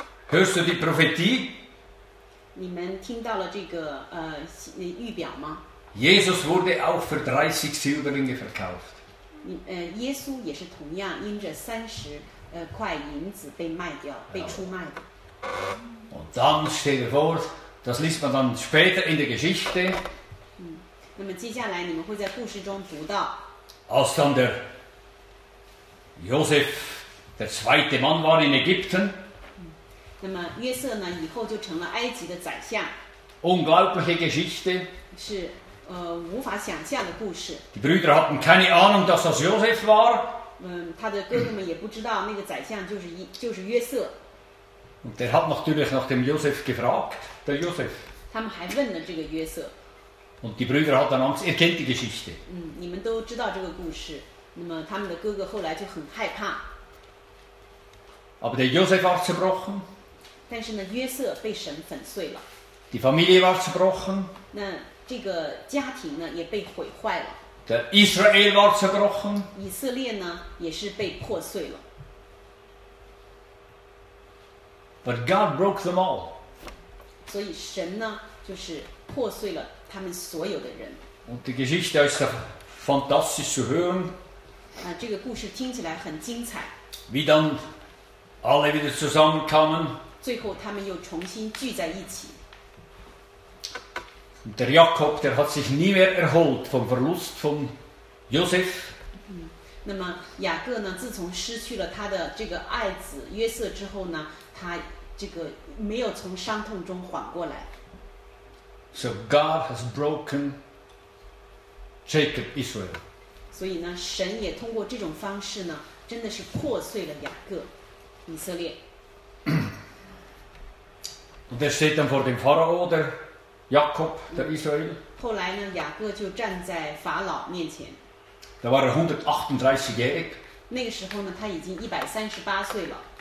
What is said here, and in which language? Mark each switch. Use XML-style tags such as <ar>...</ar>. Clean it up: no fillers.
<de>Hörst du die Prophetie?</de> <zh>你们听到了这个预表吗？</zh> <de>Jesus wurde auch für 30 Silberlinge verkauft.</de> <zh>耶稣也是同样因着三十块银子被卖掉，被出卖的。</zh> <de>Und dann steht er vor, das liest man dann später in der Geschichte.</de> <zh>那么接下来你们会在故事中读到。</zh> <de>Als dann der Josef, der zweite Mann war in Ägypten.</de> <zh>那么约瑟呢？以后就成了埃及的宰相。</zh> <de>Unglaubliche Geschichte.</de> <zh>是无法想象的故事。</zh> <de>Die Brüder hatten keine Ahnung, dass das Josef war.</de> <zh>他的哥哥们也不知道那个宰相就是约瑟。</zh> <de>Und der hat natürlich nach dem Josef gefragt, der Josef.</de> <zh>他们还问了这个约瑟。</zh> <de>Und die Brüder hatten Angst. Ihr kennt die Geschichte.</de> <zh>你们都知道这个故事。那么他们的哥哥后来就很害怕。</zh> <de>Aber der Josef war zerbrochen.</de> <zh>但是呢，约瑟被神粉碎了。</zh> <de>Die Familie war zerbrochen.</de> <zh>那这个家庭呢，也被毁坏了。</zh> <de>Der Israel war zerbrochen.</de> <zh>以色列呢，也是被破碎了。</zh> <en>But God broke them all.</en> <zh>所以神呢，就是破碎了他们所有的人。</zh> <de>Und die Geschichte ist fantastisch zu hören. Diese Geschichte</de> <zh>听起来很精彩.</zh> <de>Wie dann alle wieder zusammenkamen.</de> <zh>最后他们又重新聚在一起.</zh> <de>Der Jakob, der hat sich nie mehr erholt vom Verlust von Josef.</de> <zh>那么雅各呢，自从失去了他的这个爱子约瑟之后呢，他这个没有从伤痛中缓过来。</zh> <en>So God has broken Jacob Israel.</en> <zh>所以呢，神也通过这种方式呢，真的是破碎了雅各以色列。</zh> <de>Und er steht dann vor dem Pharao, der Jakob, der Israel.</de> <zh>后来呢，雅各就站在法老面前。</zh> <de>Da war er 138-jährig.</de> <zh>那个时候呢，他已经138岁了。</zh>